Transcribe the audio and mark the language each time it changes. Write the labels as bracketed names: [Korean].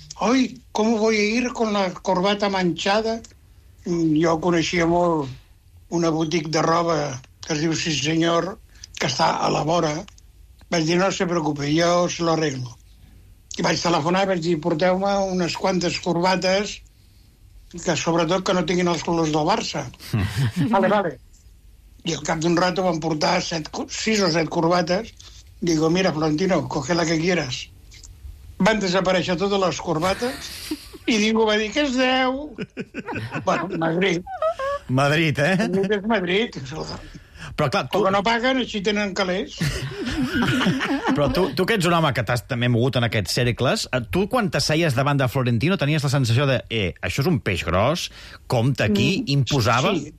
[Spanish] Oi, com voy a ir con la corbata manchada? [Catalan] Jo coneixia molt una botiga de roba que es diu Sí Senyor, que està a la vora. Vaig dir, [Spanish] no se preocupe, jo se lo arreglo. [Catalan] I vaig telefonar i vaig dir, porteu-me unes quantes corbates que, sobretot, que no tinguin els colors del Barça. Vale, vale. I al cap d'un rato van portar 6 o 7 corbates. [Spanish] Digo, mira, Florentino, coge la que quieras. [Catalan] Van desaparèixer totes les corbates i ningú va dir, que és 10? Bueno, Madrid. Madrid, eh? Madrid és Madrid. Però clar, tu... Com que no paguen, així tenen calés. Però tu que ets un home que t'has també mogut en aquests cercles, tu quan t'asseies davant de Florentino tenies la sensació de, això és un peix gros, compte aquí, imposava?